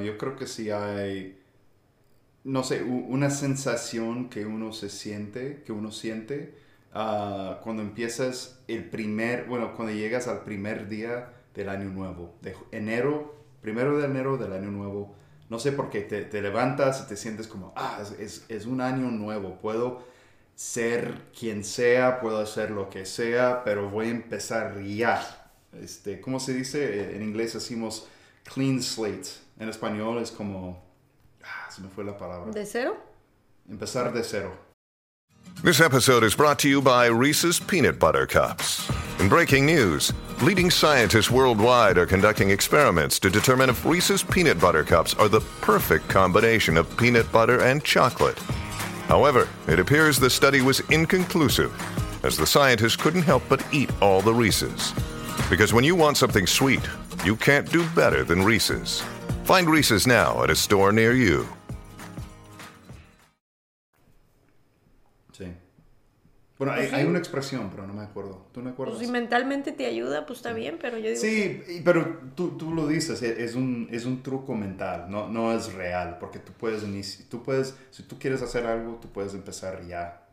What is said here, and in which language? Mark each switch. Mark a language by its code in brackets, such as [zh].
[es] Yo creo que sí hay, no sé, una sensación que uno se siente, cuando empiezas cuando llegas al primer día del año nuevo, de enero, primero de enero del año nuevo, no sé por qué, te levantas y te sientes como, es un año nuevo, puedo ser quien sea, puedo hacer lo que sea, pero voy a empezar ya. ¿Cómo se dice? En inglés decimos [en] clean slate, [es] en español es como, se me fue la palabra. ¿De cero? Empezar de cero. [en] This episode is brought to you by Reese's Peanut Butter Cups. In breaking news, leading scientists worldwide are conducting experiments to determine if Reese's Peanut Butter Cups are the perfect combination of peanut butter and chocolate. However, it appears the study was inconclusive, as the scientists couldn't help but eat all the Reese's. Because when you want something sweet, you can't do better than Reese's. Find Reese's now at a store near you. [es] Bueno, hay una expresión, pero no me acuerdo. ¿Tú me acuerdas? Pues si mentalmente te ayuda, pues está bien, pero yo digo... Sí, que... pero tú lo dices, es un truco mental, no es real, porque tú puedes, si tú quieres hacer algo, tú puedes empezar ya.